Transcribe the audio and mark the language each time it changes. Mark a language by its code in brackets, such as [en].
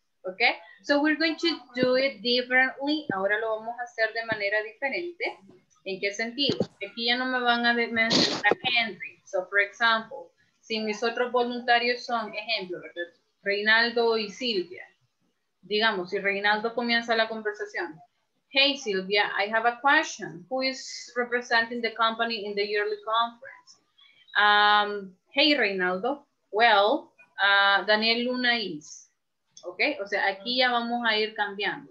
[en] Okay, so we're going to do it differently. [es] Ahora lo vamos a hacer de manera diferente. ¿En qué sentido? Aquí ya no me van a mencionar a Henry. [en] So, for example, [es] si mis otros voluntarios son, ejemplo, Reinaldo y Silvia. Digamos, si Reinaldo comienza la conversación. [en] Hey, Silvia, I have a question. Who is representing the company in the yearly conference? Hey, Reinaldo. Well, Daniel Luna is. ¿Ok? [es] O sea, aquí ya vamos a ir cambiando.